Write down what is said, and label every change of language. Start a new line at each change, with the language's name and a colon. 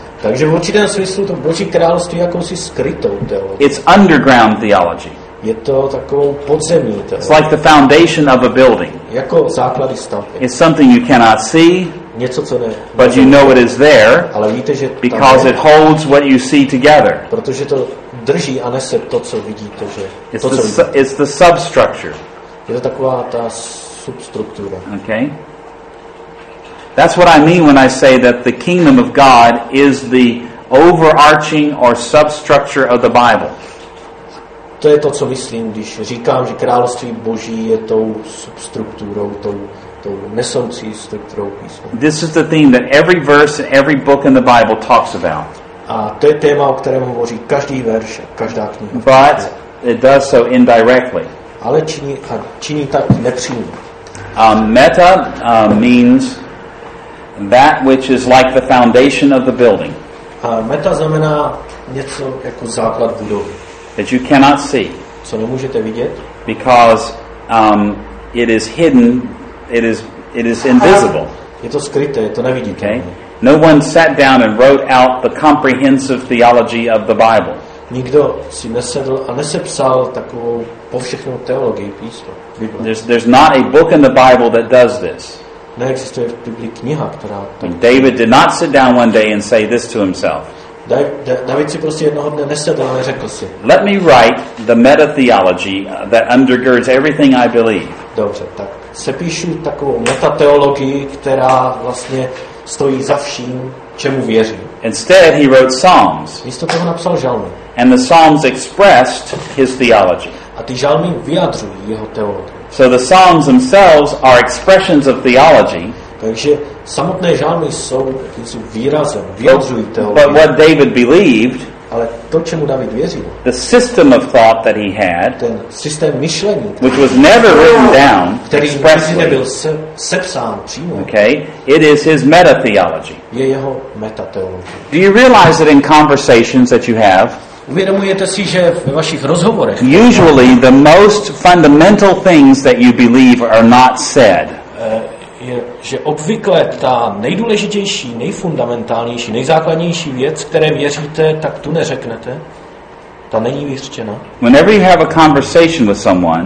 Czech: Takže v určitém smyslu to Boží království jakousi skrytou teologii.
English: It's underground theology.
Czech: Je to takovou podzemí.
English: It's like the foundation of a building.
Czech: Jako základy stavby.
English: It's something you cannot see.
Czech: Něco, co ne.
English: But you know it is there.
Czech: Ale víte, že tam
English: because
Czech: je.
English: It holds what you see together.
Czech: Protože to drží a nese to, co vidíte, že.
English: It's,
Czech: to,
English: the,
Czech: co vidíte.
English: It's the substructure.
Czech: Je to taková ta substruktura. Okay.
English: That's what I mean when I say that the kingdom of God is the overarching or substructure of the Bible.
Czech: To je to, co myslím, když říkám, že království Boží je tou substrukturou, tou nesoucí strukturou písma.
English: This is the theme that every verse and every book in the Bible talks about.
Czech: A to je téma, o kterém hovoří každý verš, každá kniha.
English: But it does so indirectly.
Czech: Ale činí tak nepřímo.
English: Meta means that which is like the foundation of the building.
Czech: A meta znamená něco jako základ budovy.
English: That you cannot see.
Czech: Co nemůžete vidět?
English: Because it is hidden, it is invisible.
Czech: Je to skryté, je to neviditelné. Okay?
English: No one sat down and wrote out the comprehensive theology of the Bible.
Czech: Nikdo si nesedl a nesepsal takovou povšechnou teologii písma.
English: There's not a book in the Bible that does this.
Czech: Neexistuje v Biblii kniha, která to.
English: David did not sit down one day and say this to himself.
Czech: David si prostě jednoho dne nesedl a neřekl si.
English: Let me write the meta theology that undergirds everything I believe.
Czech: Dobře, tak sepíšu takovou meta teologii, která vlastně stojí za vším, čemu věřím.
English: Instead, he wrote psalms.
Czech: Místo toho napsal žalmy.
English: And the psalms expressed his theology.
Czech: A ty žalmy vyjadřují jeho teologii.
English: So the psalms themselves are expressions of theology.
Czech: Takže samotné žalmy jsou jakýmsi výrazem, vyjadřují teologii.
English: But what David believed,
Czech: ale to, čemu David věřil,
English: the system of thought that he had,
Czech: ten systém myšlení,
English: which was never written down,
Czech: který
English: expressly,
Czech: nebyl sepsán přímo,
English: okay, it is his meta-theology.
Czech: Je jeho meta-teologie.
English: Do you realize that in conversations that you have,
Czech: uvědomujete si, že ve vašich rozhovorech
English: usually the most fundamental things that you believe are not said.
Czech: Je, že obvykle ta nejdůležitější, nejfundamentálnější, nejzákladnější věc, které věříte, tak tu neřeknete. Ta není vyřčena.
English: Whenever you have a conversation with someone,